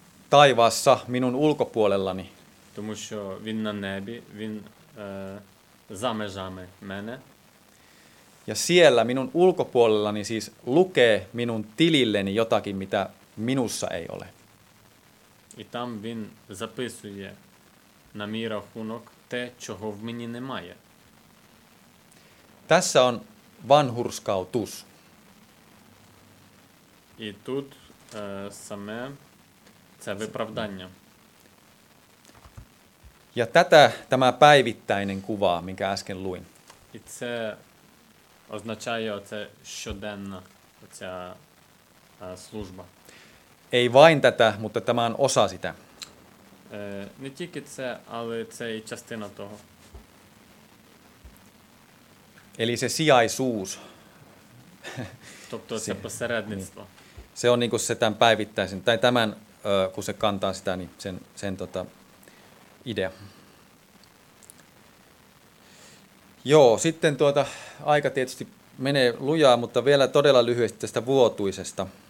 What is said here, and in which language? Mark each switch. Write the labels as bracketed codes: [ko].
[fi] Taivaassa minun ulkopuolellani. [uk] Тому що він на небі, він за межами мене. [fi] Ja siellä minun ulkopuolellani siis lukee minun tililleni jotakin, mitä minussa ei ole. [uk] І там він записує на мій рахунок те, чого в мені немає. [fi] Tässä on vanhurskautus. [uk] І тут саме це виправдання. [fi] Ja tätä tämä päivittäinen kuva, minkä äsken luin. [uk] І це означає оце щоденна оця служба. [fi] Ei vain tätä, mutta tämä on osa sitä. [uk] Не тільки це, але це і частина того. [fi] Eli se sijaisuus. [uk] Тобто це посередництво. [fi] Se on niinku se tämän päivittäisen, tai tämän, kun se kantaa sitä, niin sen tota idea. Joo, sitten tuota, aika tietysti menee lujaa, mutta vielä todella lyhyesti tästä vuotuisesta.